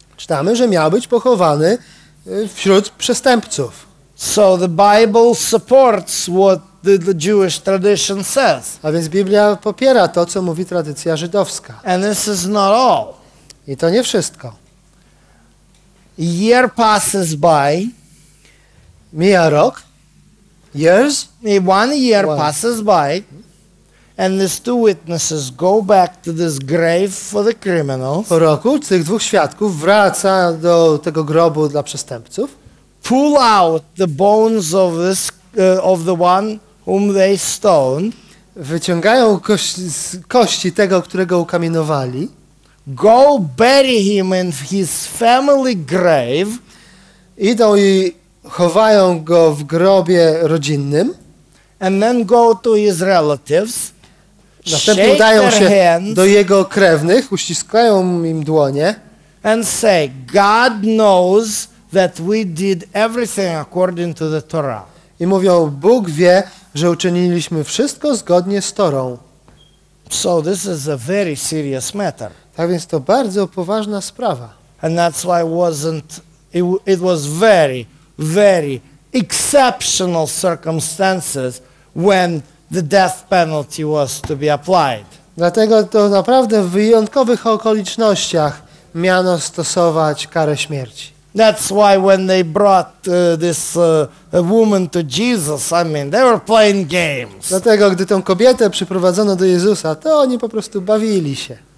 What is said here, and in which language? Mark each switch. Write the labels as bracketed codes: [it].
[pl] Czytamy, że miał być pochowany wśród przestępców. [en] So the Bible supports what the Jewish tradition says. [pl] A więc Biblia popiera to, co mówi tradycja żydowska. [en] And this is not all. [pl] I to nie wszystko. [en] Year passes by. [pl] Mija rok. [en] Years? One year passes by. And these two witnesses go back to this grave for the criminals. [pl] Po roku tych dwóch świadków wraca do tego grobu dla przestępców. [en] Pull out the bones of this of the one whom they stoned. [pl] Wyciągają kości tego, którego ukamienowali. [en] Go bury him in his family grave. [pl] Idą i chowają go w grobie rodzinnym. [en] And then go to his relatives. [pl] Następnie udają się do jego krewnych, uściskają im dłonie [en] and say, God knows that we did everything according to the Torah. [pl] I mówią, Bóg wie, że uczyniliśmy wszystko zgodnie z Torą. [en] So this is a very serious matter. [pl] Tak więc to bardzo poważna sprawa. [en] And that's why it was very, very exceptional circumstances when the death penalty was to be applied. [pl] Dlatego to naprawdę w wyjątkowych okolicznościach miano stosować karę śmierci. [en] That's why when they brought this woman to Jesus, I mean, they were playing games. [pl] Dlatego, gdy tę kobietę przyprowadzono do Jezusa, to oni po prostu bawili się.